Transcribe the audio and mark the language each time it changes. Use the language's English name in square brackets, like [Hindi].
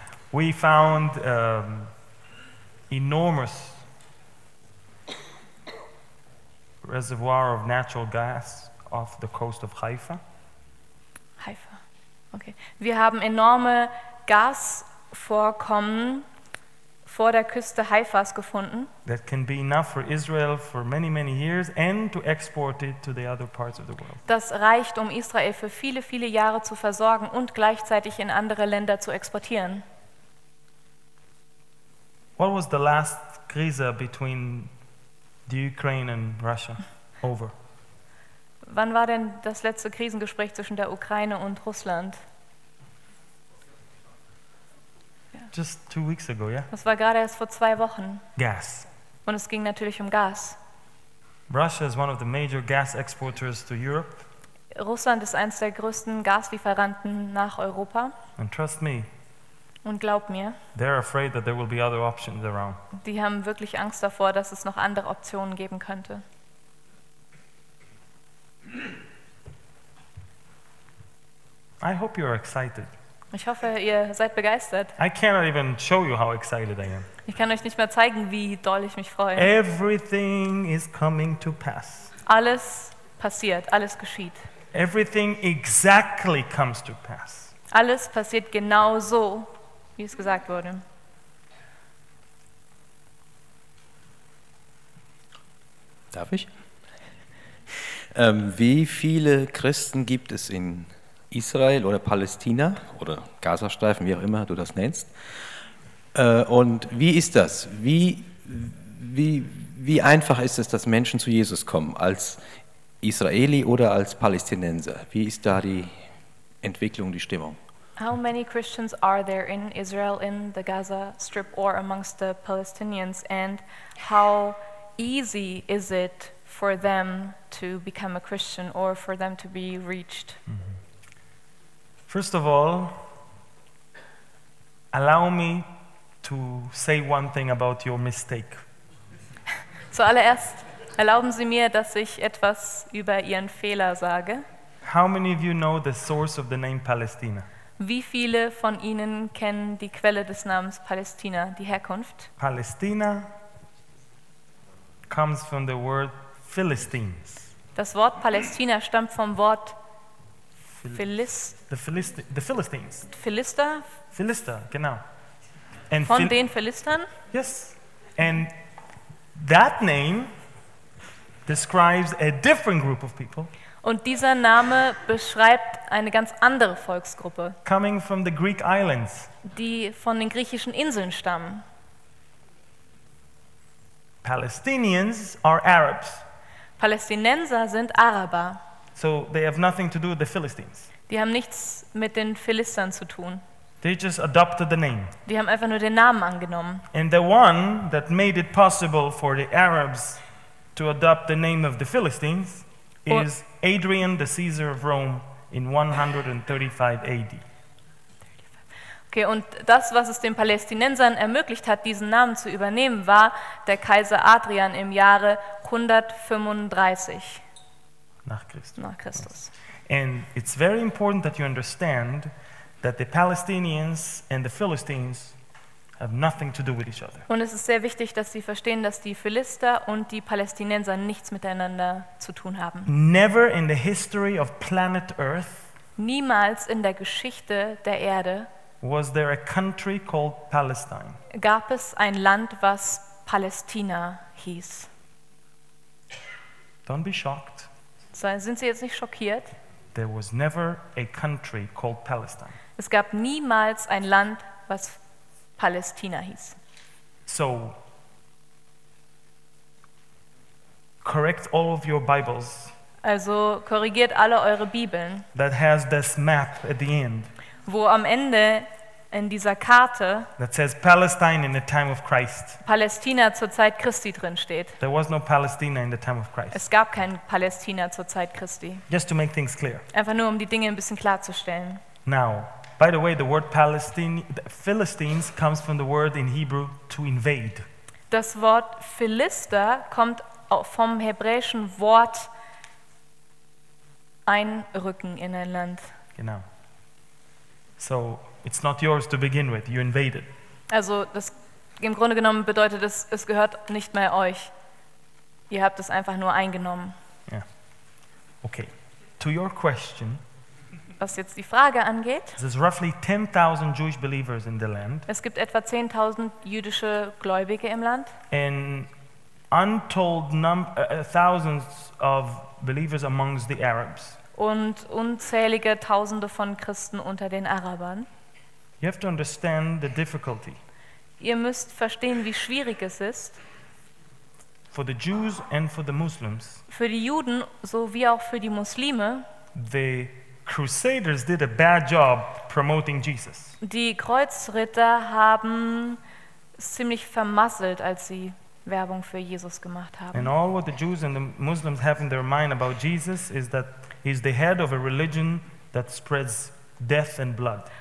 [English] We found enormous reservoir of natural gas off the coast of Haifa. Haifa. Okay. [German] Wir haben enorme Gasvorkommen vor der Küste Haifas gefunden. [English] That can be enough for Israel for many, many years and to export it to the other parts of the world. [German] Das reicht, um Israel für viele, viele Jahre zu versorgen und gleichzeitig in andere Länder zu exportieren. [English] What was the last crisis between the Ukraine and Russia over? [German] Wann war denn das letzte Krisengespräch zwischen der Ukraine und Russland? [English] Just 2 weeks ago, yeah. [German] Das war gerade erst vor 2 Wochen. [English] Gas. [German] Und es ging natürlich um Gas. [English] Russia is one of the major gas exporters to Europe. [German] Russland ist eins der größten Gaslieferanten nach Europa. [English] And trust me. [German] Und glaub mir. [English] They're afraid that there will be other options around. [German] Die haben wirklich Angst davor, dass es noch andere Optionen geben könnte. [English] I hope you are excited. [German] Ich hoffe, ihr seid begeistert. [English] I cannot even show you how excited I am. [German] Ich kann euch nicht mehr zeigen, wie doll ich mich freue. [English] Everything is coming to pass. [German] Alles passiert, alles geschieht. [English] Everything exactly comes to pass. [German] Alles passiert genau so, wie es gesagt wurde. Darf ich? Wie viele Christen gibt es in Israel oder Palästina oder Gazastreifen, wie auch immer du das nennst. Und wie ist das? Wie einfach ist es, dass Menschen zu Jesus kommen, als Israeli oder als Palästinenser? Wie ist da die Entwicklung, die Stimmung? [English] How many Christians are there in Israel, in the Gaza Strip or amongst the Palestinians? And how easy is it for them to become a Christian or for them to be reached? Mm-hmm. First of all, allow me to say one thing about your mistake. [German] Zuallererst erlauben Sie mir, dass ich etwas über Ihren Fehler sage. [English] How many of you know the source of the name Palestina? [German] Wie viele von Ihnen kennen die Quelle des Namens Palästina, die Herkunft? [English] Palästina comes from the word Philistines. [German] Das Wort Palästina stammt vom Wort [English] The Philistines. [German] Philister? Philister, genau. And von den Philistern? [English] Yes. And that name describes a different group of people. [German] Und dieser Name beschreibt eine ganz andere Volksgruppe. [English] Coming from the Greek islands. [German] Die von den griechischen Inseln stammen. [English] Palestinians are Arabs. [German] Palästinenser sind Araber. [English] So they have nothing to do with the Philistines. [German] Die haben nichts mit den Philistern zu tun. [English] They just adopted the name. [German] Die haben einfach nur den Namen angenommen. [English] And the one that made it possible for the Arabs to adopt the name of the Philistines is Adrian the Caesar of Rome in 135 AD. [German] Okay, und das, was es den Palästinensern ermöglicht hat, diesen Namen zu übernehmen, war der Kaiser Adrian im Jahre 135. Nach Christus. [English] And it's very important that you understand that the Palestinians and the Philistines have nothing to do with each other. [German] Und es ist sehr wichtig, dass Sie verstehen, dass die Philister und die Palästinenser nichts miteinander zu tun haben. [English] Never in the history of planet Earth. [German] Niemals in der Geschichte der Erde. [English] Was there a country called Palestine? [German] Gab es ein Land, was Palästina hieß? [English] Don't be shocked. [German] Sind Sie jetzt nicht schockiert? [English] There was never a country called Palestine. [German] Es gab niemals ein Land, was Palästina hieß. [English] So correct all of your Bibles. [German] Also korrigiert alle eure Bibeln. [English] That has this map at the end. [German] Wo am Ende in dieser Karte [English] that says Palestine in the time of Christ. [German] Palästina zur Zeit Christi drin steht. [English] There was no Palestine in the time of Christ. [German] Es gab kein Palästina zur Zeit Christi. [English] Just to make things clear. [German] Einfach nur um die Dinge ein bisschen klarzustellen. [English] Now, by the way, the word Philistines comes from the word in Hebrew to invade. [German] Das Wort Philister kommt vom hebräischen Wort einrücken in ein Land. [English] Genau. So it's not yours to begin with. You invaded. [German] Also, das im Grunde genommen bedeutet es, es gehört nicht mehr euch. Ihr habt es einfach nur eingenommen. [English] Ja. Yeah. Okay. To your question. [German] Was jetzt die Frage angeht. [English] There's roughly 10,000 Jewish believers in the land. [German] Es gibt etwa 10,000 jüdische Gläubige im Land. [English] And untold thousands of believers amongst the Arabs. [German] Und unzählige Tausende von Christen unter den Arabern. [English] You have to understand the difficulty. [German] Ihr müsst verstehen, wie schwierig es ist. [English] For the Jews and for the Muslims. [German] Für die Juden sowie auch für die Muslime. [English] The Crusaders did a bad job promoting Jesus. [German] Die Kreuzritter haben ziemlich vermasselt, als sie Werbung für Jesus gemacht haben. [English] And all what the Jews and the Muslims have in their mind about Jesus is that he's the head of a religion that spreads death and blood.